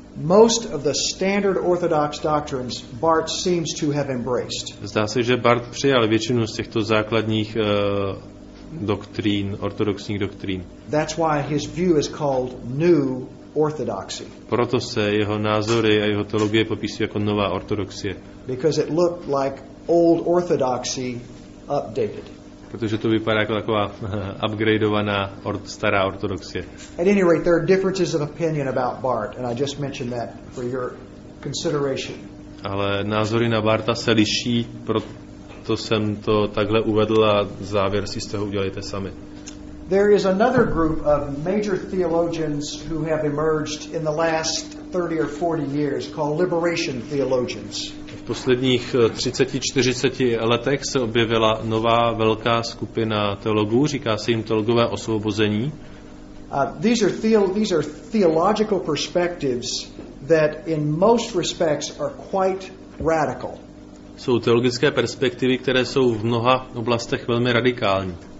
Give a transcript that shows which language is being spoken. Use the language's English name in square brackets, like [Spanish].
[English] Most of the standard orthodox doctrines Barth seems to have embraced. [Czech] Zdá se, že Barth přijal většinu z těchto základních doktrín, ortodoxních doktrín. [English] That's why his view is called new orthodoxy. [Czech] Proto se jeho názory a jeho teologie popisují jako nová ortodoxie. [English] Because it looked like old orthodoxy updated. [Czech] Protože to vypadá jako taková upgradeovaná stará ortodoxie. [English] At any rate, there are differences of opinion about Barth, and I just mentioned that for your consideration. [Czech] Ale názory na Bartha se liší, proto jsem to takhle uvedl a závěr si z toho udělejte sami. [English] There is another group of major theologians who have emerged in the last 30 or 40 years called liberation theologians. [Czech] V posledních 30-40 letech se objevila nová velká skupina teologů, říká se jim teologové osvobození. [English] These are theological perspectives that in most respects are quite radical. [Czech] Jsou teologické perspektivy, které jsou v mnoha oblastech velmi radikální.